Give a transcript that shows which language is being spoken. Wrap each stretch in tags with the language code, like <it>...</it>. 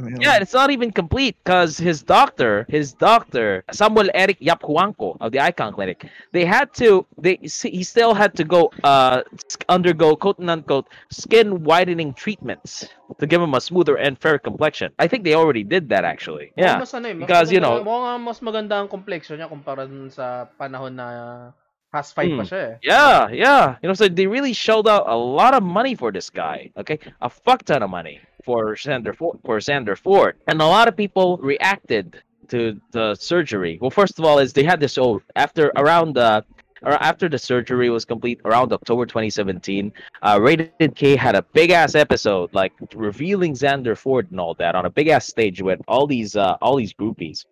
<en>Yeah, it's not even complete because his doctor Samuel Eric Yapuanco of the Icon Clinic, he still had to go undergo quote-unquote skin widening treatments to give him a smoother and fairer complexion. I think they already did that, actually. Yeah, because you know,</en> <tl>mas maganda ang complexion niya kumpara dun sa panahon na past fight pa siya.</tl> <en>Yeah. You know, so they really shelled out a lot of money for this guy. Okay, a fuck ton of money for Xander Ford. And a lot of people reacted to the surgery. Well, first of all, is they had this old after around the or after the surgery was complete around October 2017, Rated K had a big ass episode like revealing Xander Ford and all that on a big ass stage with all these groupies.</en>